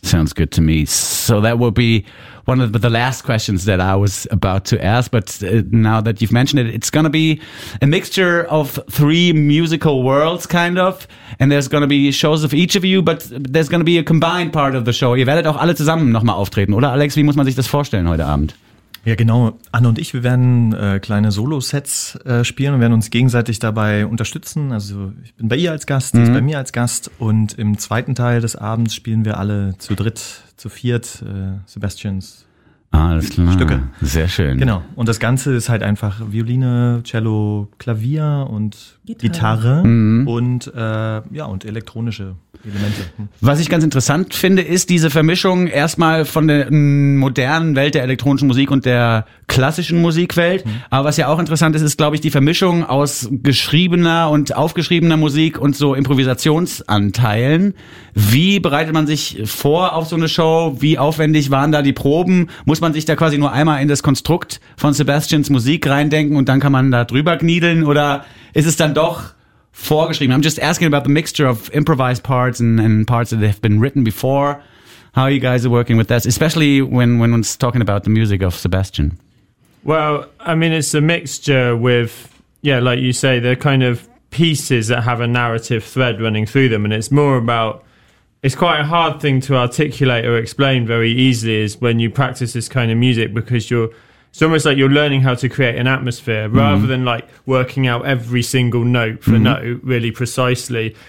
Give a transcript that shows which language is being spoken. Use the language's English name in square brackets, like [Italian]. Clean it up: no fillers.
[English] Sounds good to me. So that will be one of the last questions that I was about to ask, but now that you've mentioned it, it's going to be a mixture of three musical worlds, kind of, and there's going to be shows of each of you, but there's going to be a combined part of the show. [German] Ihr werdet auch alle zusammen nochmal auftreten, oder Alex? Wie muss man sich das vorstellen heute Abend? Ja, genau. Anne und ich, wir werden kleine Solo-Sets spielen und werden uns gegenseitig dabei unterstützen. Also ich bin bei ihr als Gast, sie ist bei mir als Gast. Und im zweiten Teil des Abends spielen wir alle zu dritt, zu viert Sebastians Stücke. Sehr schön. Genau. Und das Ganze ist halt einfach Violine, Cello, Klavier und Gitarre. Und und elektronische Elemente. Was ich ganz interessant finde, ist diese Vermischung erstmal von der modernen Welt der elektronischen Musik und der klassischen Musikwelt. Aber was ja auch interessant ist, ist, glaube ich, die Vermischung aus geschriebener und aufgeschriebener Musik und so Improvisationsanteilen. Wie bereitet man sich vor auf so eine Show? Wie aufwendig waren da die Proben? Muss man sich da quasi nur einmal in das Konstrukt von Sebastians Musik reindenken und dann kann man da drüber kniedeln? Oder ist es dann doch vorgeschrieben? [English] I'm just asking about the mixture of improvised parts and parts that have been written before. How you guys are working with that, especially when we're talking about the music of Sebastian? Well, I mean, it's a mixture with, yeah, like you say, they're kind of pieces that have a narrative thread running through them. And it's more about, it's quite a hard thing to articulate or explain very easily is when you practice this kind of music, because it's almost like you're learning how to create an atmosphere rather than like working out every single note for note really precisely.